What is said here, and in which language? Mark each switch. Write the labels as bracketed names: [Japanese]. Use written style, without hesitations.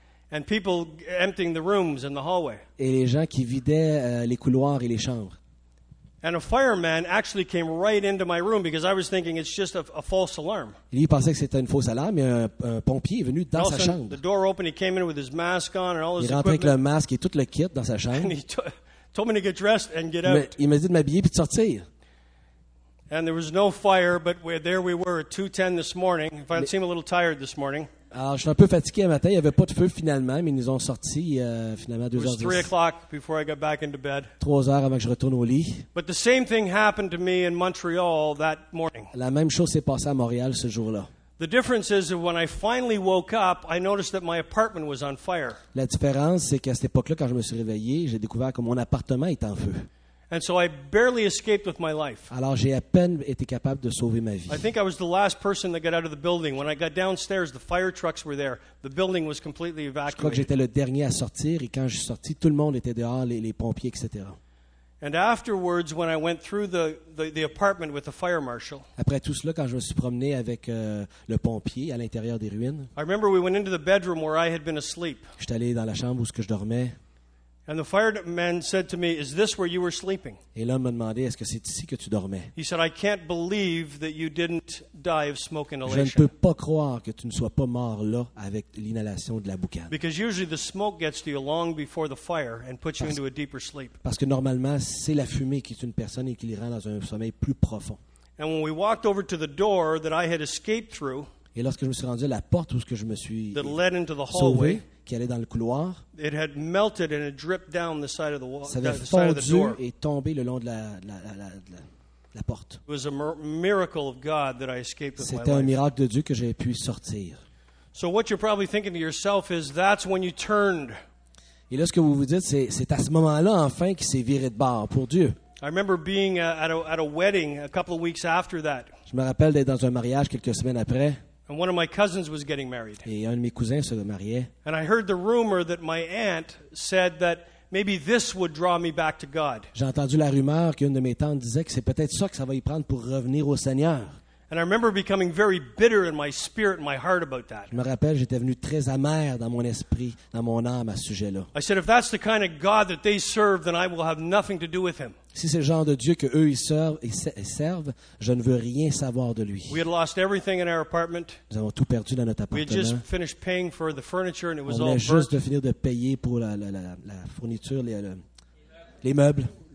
[English] And people emptying the rooms in the hallway. [French] Et les gens qui vidaient les couloirs et les chambres. [English] And a fireman actually came right into my room because I was thinking it's just a false alarm. [French] Il pensait que c'était une fausse alarme, mais un pompier est venu dans sa chambre. [English] The door opened, he came in with his mask on and all his equipment. [French] Il rentrait avec le masque et tout le kit dans sa chambre. [English] And he told me to get dressed and get out. [French] Il m'a dit de m'habiller puis de sortir. [English] And there was no fire, but there we were at 2:10 this morning. If I seem a little tired this morning. [French] Alors, je suis un peu fatigué un matin. Il n'y avait pas de feu finalement, mais ils nous ont sorti finalement à 2h10. [English] It was 3:00 before I got back into bed. [French] 3 heures avant que je retourne au lit. [English] But the same thing happened to me in Montreal that morning. [French] La même chose s'est passée à Montréal ce jour-là. [English] The difference is that when I finally woke up, I noticed that my apartment was on fire. [French] La différence, c'est qu'à cette époque-là, quand je me suis réveillé, j'ai découvert que mon appartement est en feu. [English] And so I barely escaped with my life. [French] Alors j'ai à peine été capable de sauver ma vie. [English] I think I was the last person that got out of the building. When I got downstairs, the fire trucks were there. The building was completely evacuated. [French] Je crois que j'étais le dernier à sortir et quand je suis sorti, tout le monde était dehors, les pompiers, etc. [English] And afterwards, when I went through the apartment with the fire marshal. [French] Après tout cela, quand je me suis promené avec le pompier à l'intérieur des ruines. [English] I remember we went into the bedroom where I had been asleep. [French] J'étais allé dans la chambre où ce que je dormais. [English] And the fireman said to me, "Is this where you were sleeping?" [French] Et l'homme m'a demandé, est-ce que c'est ici que tu dormais? [English] He said, "I can't believe that you didn't die of smoke inhalation." [French] Je ne peux pas croire que tu ne sois pas mort là avec l'inhalation de la boucane. [English] Because usually the smoke gets to you long before the fire and puts you into a deeper sleep. [French] Parce que normalement, c'est la fumée qui tue une personne et qui les rend dans un sommeil plus profond. [English] And when we walked over to the door that I had escaped through, [French] et lorsque je me suis rendu à la porte où ce que je me suis sauvé, qui allait dans le couloir, [English] it had melted and it dripped down the side of the wall. [French] Ça avait fondu et tombé le long de la porte. [English] It was a miracle of God that I escaped with my life. [French] C'était un miracle de Dieu que j'ai pu sortir. [English] So what you're probably thinking to yourself is that's when you turned. [French] Et là, ce que vous vous dites, c'est à ce moment-là enfin qu'il s'est viré de bord pour Dieu. [English] I remember being at a wedding a couple of weeks after that. [French] Je me rappelle d'être dans un mariage quelques semaines après. [English] And one of my cousins was getting married. [French] Et un de mes cousins se mariait. [English] And I heard the rumor that my aunt said that maybe this would draw me back to God. [French] J'ai entendu la rumeur qu'une de mes tantes disait que c'est peut-être ça que ça va y prendre pour revenir au Seigneur. [English] And I remember becoming very bitter in my spirit and my heart about that. [French] Je me rappelle, j'étais venu très amer dans mon esprit, dans mon âme à ce sujet-là. [English] I said, if that's the kind of God that they serve, then I will have nothing to do with him. [French] Si c'est le genre de Dieu que eux ils servent, je ne veux rien savoir de lui. [English] We had lost everything in our apartment. [French] Nous avons tout perdu dans notre appartement. [English] We had just finished paying for the furniture and it was all burnt. [French] On venait juste de finir de payer pour la fourniture, les meubles.